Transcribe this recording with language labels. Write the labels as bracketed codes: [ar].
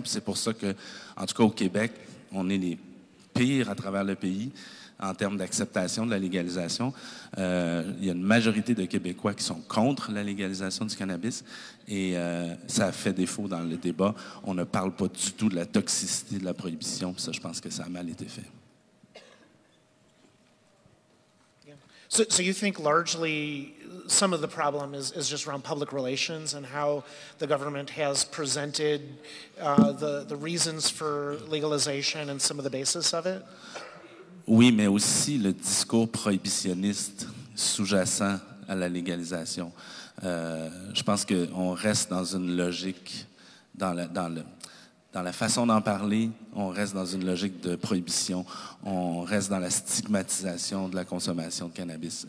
[fr] Puis c'est pour ça que, en tout cas au Québec, on est les pires à travers le pays en termes d'acceptation de la légalisation. Il y a une majorité de Québécois qui sont contre la légalisation du cannabis et ça a fait défaut dans le débat. On ne parle pas du tout de la toxicité de la prohibition. Puis ça, je pense que ça a mal été fait. [en] So you think largely some of the problem is just around public relations and how the government has presented the reasons for legalization and some of the basis of it? [fr] Oui, mais aussi le discours prohibitionniste sous-jacent à la légalisation. Je pense qu'on reste dans une logique, dans la façon d'en parler, on reste dans une logique de prohibition, on reste dans la stigmatisation de la consommation de cannabis.